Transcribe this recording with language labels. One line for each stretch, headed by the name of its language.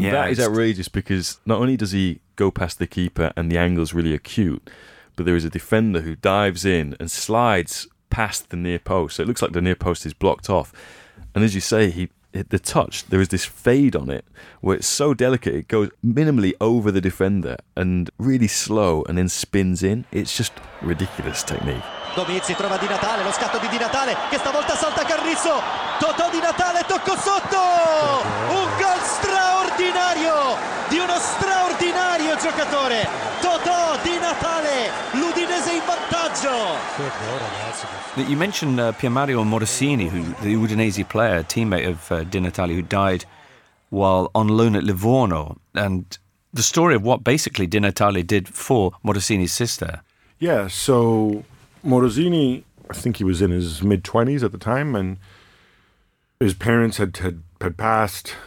English: Yeah, that is outrageous because not only does he go past the keeper and the angle's really acute, but there is a defender who dives in and slides past the near post. So it looks like the near post is blocked off. And as you say, the touch, there is this fade on it where it's so delicate, it goes minimally over the defender and really slow and then spins in. It's just ridiculous technique.
Italian: Domizzi trova Di Natale, lo scatto di Di Natale, che stavolta salta Carrizzo. Totò Di Natale, tocco sotto! Un gol straordinario di uno straordinario giocatore. Totò Di Natale, l'Udinese in vantaggio.
English: You mentioned Pier Mario Morosini, who the Udinese player, teammate of Di Natale, who died while on loan at Livorno. And the story of what basically Di Natale did for Morosini's sister. Yeah, so Morosini, I think he was in his mid-20s at the time, and his parents had passed.